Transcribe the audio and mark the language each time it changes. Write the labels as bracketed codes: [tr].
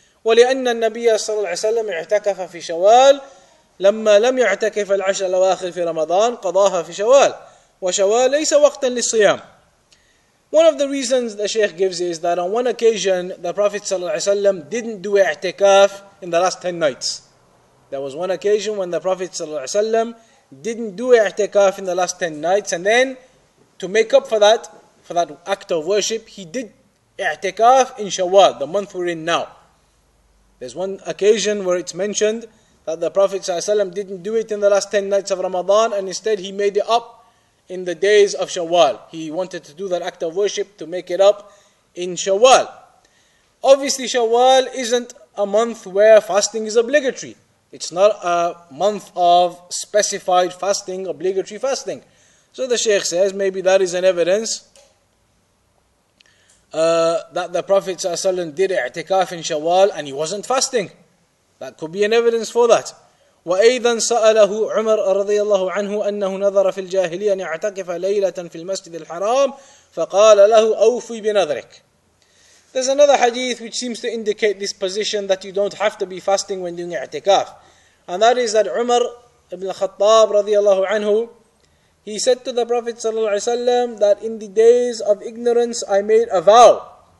[ar] وَلِأَنَّ النَّبِيَّ صَلَى اللَّهِ وَسَلَّمِ اِعْتَكَفَ فِي شَوَالِ لما لم يعتكف العشر الأواخر في رمضان قضاها في شوال وشوال ليس وقتا للصيام. [en] One of the reasons the Shaykh gives is that on one occasion the Prophet [ar] صلى الله عليه وسلم [en] didn't do i'tikaf in the last 10 nights. There was one occasion when the Prophet [ar] صلى الله عليه وسلم [en] didn't do i'tikaf in the last 10 nights, and then to make up for that act of worship, he did i'tikaf in Shawwal, the month we're in now. There's one occasion where it's mentioned that the Prophet ﷺ didn't do it in the last 10 nights of Ramadan, and instead he made it up in the days of Shawwal. He wanted to do that act of worship to make it up in Shawwal. Obviously, Shawwal isn't a month where fasting is obligatory. It's not a month of specified fasting, obligatory fasting. So the Shaykh says, maybe that is an evidence that the Prophet ﷺ did i'tikaf in Shawwal and he wasn't fasting. That could be an evidence for that. [ar] وَأَيْضًا سَأَلَهُ عُمَرَ رضي الله عنه أنه نظر في الجاهلية أن يعتكف ليلة في المسجد الحرام فقال له أوفي بنظرك. [en] There's another hadith which seems to indicate this position that you don't have to be fasting when doing i'tikaf. And that is that Umar ibn al-Khattab [ar] رضي الله عنه, [en] he said to the Prophet [ar] صلى الله عليه وسلم [en] that in the days of ignorance I made a vow.